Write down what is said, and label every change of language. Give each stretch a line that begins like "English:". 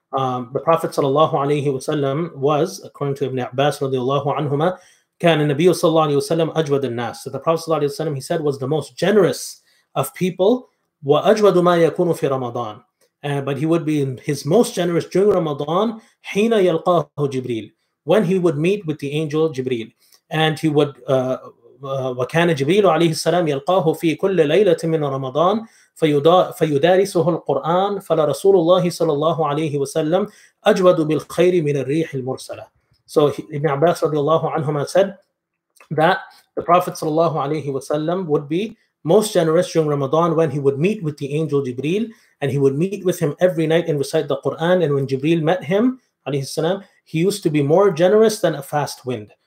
English: The Prophet sallallahu alayhi wa sallam was, according to Ibn Abbas radiyallahu anhuma,
Arabic: كان النبي صلى الله عليه وسلم أجود الناس.
English: So the Prophet صلى الله عليه وسلم, he said, was the most generous of people.
Arabic: وأجود ما يكون في رمضان.
English: But he would be his most generous during Ramadan.
Arabic: حين يلقاه جبريل.
English: When he would meet with the angel Jibril. And he would,
Arabic: وكان جبريل عليه السلام يلقاه في كل ليلة من رمضان. فيدارسه القرآن. فلرسول الله صلى الله عليه وسلم أجود بالخير من الريح المرسلة.
English: So Ibn Abbas radiallahu anhuma said that the Prophet sallallahu alayhi wasallam would be most generous during Ramadan when he would meet with the angel Jibreel, and he would meet with him every night and recite the Quran. And when Jibreel met him alayhi salam, he used to be more generous than a fast wind.